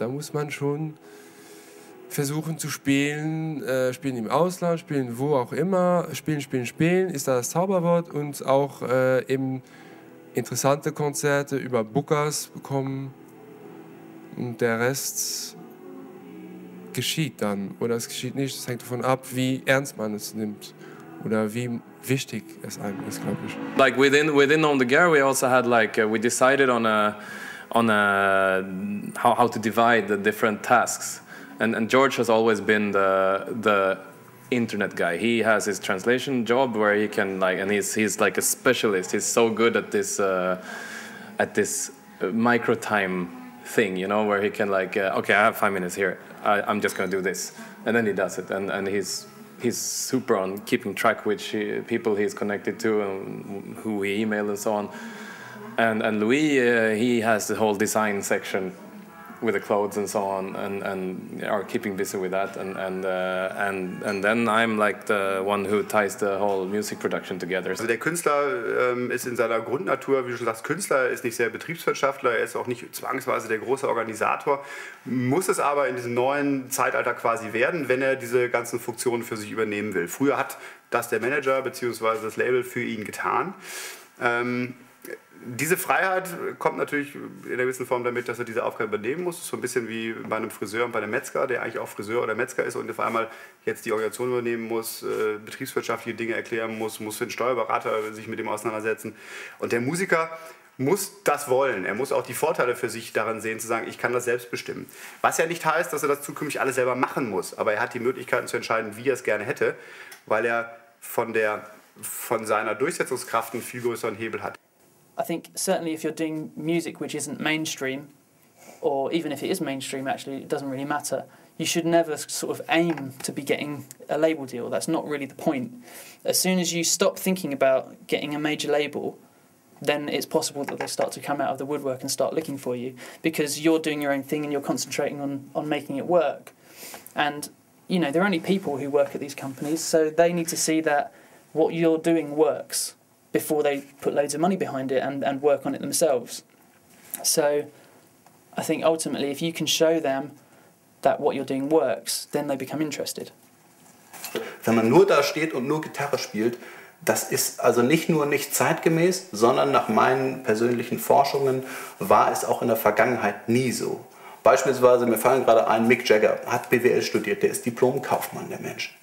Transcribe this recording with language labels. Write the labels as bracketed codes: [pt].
[de] Da muss man schon versuchen zu spielen, spielen im Ausland, spielen wo auch immer, spielen, spielen, spielen, ist da das Zauberwort und auch eben interessante Konzerte über Bookers bekommen und der Rest geschieht dann oder es geschieht nicht. Es hängt davon ab, wie ernst man es nimmt oder wie wichtig es einem ist, glaube ich. [en] Like within On the Gear, we also had like we decided on a how to divide the different tasks and George has always been the internet guy. He has his translation job where he can like, and he's like a specialist. He's so good at this micro time thing, you know, where he can like, okay, I have 5 minutes here. I'm just gonna do this, and then he does it, and he's super on keeping track which people he's connected to and who he emailed and so on. And Louis, he has the whole design section with the clothes and so on, and are keeping busy with that. And then I'm like the one who ties the whole music production together. [de] Also der Künstler ist in seiner Grundnatur, wie du schon sagst, Künstler, ist nicht sehr Betriebswirtschaftler, er ist auch nicht zwangsweise der große Organisator, muss es aber in diesem neuen Zeitalter quasi werden, wenn er diese ganzen Funktionen für sich übernehmen will. Früher hat das der Manager bzw. das Label für ihn getan. Diese Freiheit kommt natürlich in einer gewissen Form damit, dass er diese Aufgabe übernehmen muss. So ein bisschen wie bei einem Friseur und bei einem Metzger, der eigentlich auch Friseur oder Metzger ist und auf einmal jetzt die Organisation übernehmen muss, betriebswirtschaftliche Dinge erklären muss, muss für den Steuerberater sich mit dem auseinandersetzen. Und der Musiker muss das wollen. Er muss auch die Vorteile für sich daran sehen, zu sagen, ich kann das selbst bestimmen. Was ja nicht heißt, dass er das zukünftig alles selber machen muss. Aber er hat die Möglichkeiten zu entscheiden, wie er es gerne hätte, weil er von seiner Durchsetzungskraft einen viel größeren Hebel hat. [en] I think certainly if you're doing music which isn't mainstream, or even if it is mainstream, actually, it doesn't really matter. You should never sort of aim to be getting a label deal. That's not really the point. As soon as you stop thinking about getting a major label, then it's possible that they start to come out of the woodwork and start looking for you because you're doing your own thing and you're concentrating on making it work. And, you know, there are only people who work at these companies, so they need to see that what you're doing works, before they put loads of money behind it and work on it themselves. So I think ultimately if you can show them that what you're doing works, then they become interested. [de] Wenn man nur da steht und nur Gitarre spielt, das ist also nicht nur nicht zeitgemäß, sondern nach meinen persönlichen Forschungen war es auch in der Vergangenheit nie so. Beispielsweise, mir fallen gerade ein, Mick Jagger hat BWL studiert, der ist Diplom-Kaufmann, der Mensch.